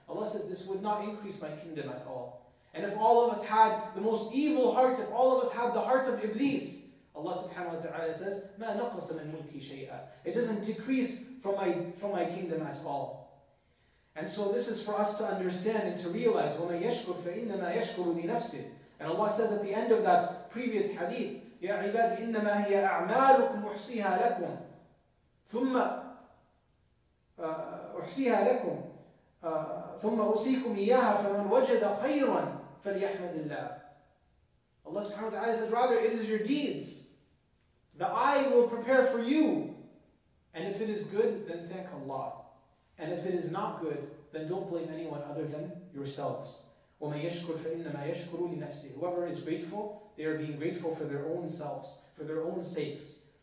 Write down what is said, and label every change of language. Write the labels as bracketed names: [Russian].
[English] Allah says, this would not increase my kingdom at all. And if all of us had the most evil heart, if all of us had the heart of Iblis, Allah subhanahu wa ta'ala says, [Arabic] مَا نَقَصَ مِن مُلْكِ شَيْئًا. [English] It doesn't decrease from my kingdom at all. And so this is for us to understand and to realize, [Arabic] وَمَا يَشْكُرْ فَإِنَّمَا يَشْكُرُ لِنَفْسِهِ. [English] And Allah says at the end of that previous hadith, [Arabic] يا عباد إنما هي أعمالكم أحصيها لكم ثم أحصيها لكم ثم أوصيكم إياها فمن وجد خيرا فليحمد الله. [English] Allah subhanahu wa ta'ala says, rather it is your deeds that I will prepare for you, and if it is good, then thank Allah, and if it is not good, then don't blame anyone other than yourselves. [Arabic] وَمَنْ يَشْكُرْ فَإِنَّمَا يَشْكُرُ لِنَفْسِهِ. [English] Whoever is grateful, they are being grateful for their own selves, for their own sakes.